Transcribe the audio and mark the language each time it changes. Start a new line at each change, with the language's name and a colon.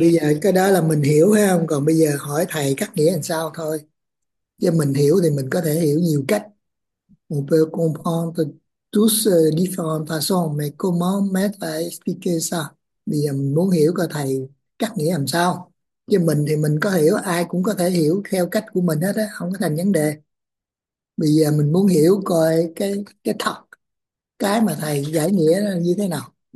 Vietnamese: bây giờ cái đó là mình hiểu ha, không còn bây giờ hỏi thầy cắt nghĩa làm sao thôi. Chứ mình hiểu thì mình có thể hiểu nhiều cách.
French: On peut comprendre tous différentes façons, mais comment mettre à expliquer ça?
Vietnamese: Bây giờ mình muốn hiểu coi thầy cắt nghĩa làm sao. Chứ mình thì mình có hiểu, ai cũng có thể hiểu theo cách của mình hết á, không có thành vấn đề. Bây giờ mình muốn hiểu coi cái thật, cái mà thầy giải nghĩa là như thế nào.